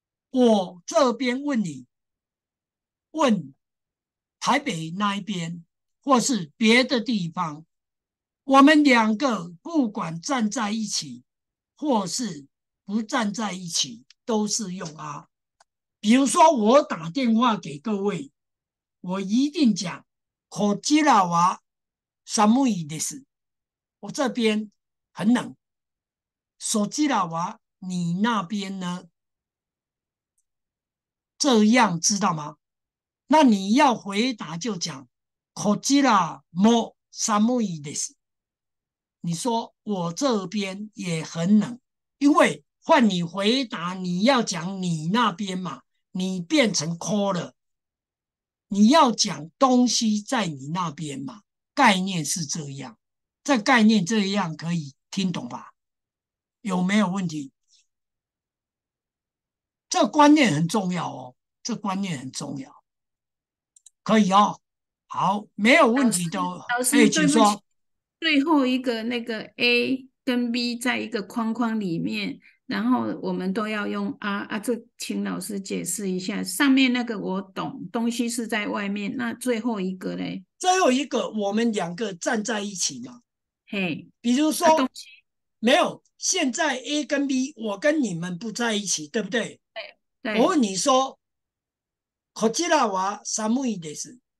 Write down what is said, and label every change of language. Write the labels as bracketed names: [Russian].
[Chinese] 我这边问你，问台北那一边或是别的地方，我们两个不管站在一起或是不站在一起，都是用 R。比如说我打电话给各位，我一定讲 [Japanese] こちらは寒いです。 [Chinese] 我这边很冷，手机老娃，你那边呢？这样知道吗？那你要回答就讲， [Japanese] こちらも寒いです。 [Chinese] 你说我这边也很冷，因为换你回答，你要讲你那边嘛，你变成 call 了，你要讲东西在你那边嘛，概念是这样。这概念这样可以听懂吧？有没有问题？这观念很重要哦，这观念很重要，可以哦。好，没有问题都，老师，哎，请对不说。起，最后一个那个 A 跟 B 在一个框框里面，然后我们都要用 R 啊，这请老师解释一下，上面那个我懂，东西是在外面，那最后一个嘞？最后一个，我们两个站在一起嘛。嘿，比如啊，东说，西，没有，现在 A 跟 B，我跟你们不在一起，对不对？对，对。我问你说， [Japanese] こちらは寒いです。